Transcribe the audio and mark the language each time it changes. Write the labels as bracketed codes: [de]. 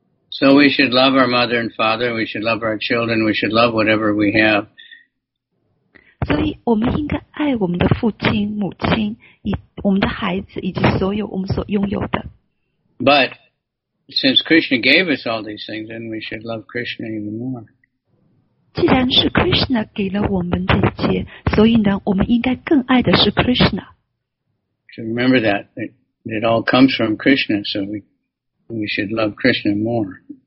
[en] So we should love our mother and father, we should love our children, we should love whatever we have. [zh] 所以我们应该爱我们的父亲、母亲，我们的孩子以及所有我们所拥有的。 [en] But since Krishna gave us all these things, then we should love Krishna even more. [zh] 既然是 Krishna 给了我们这些，所以呢，我们应该更爱的是 Krishna. [en] So remember that, it all comes from Krishna, so we should love Krishna more.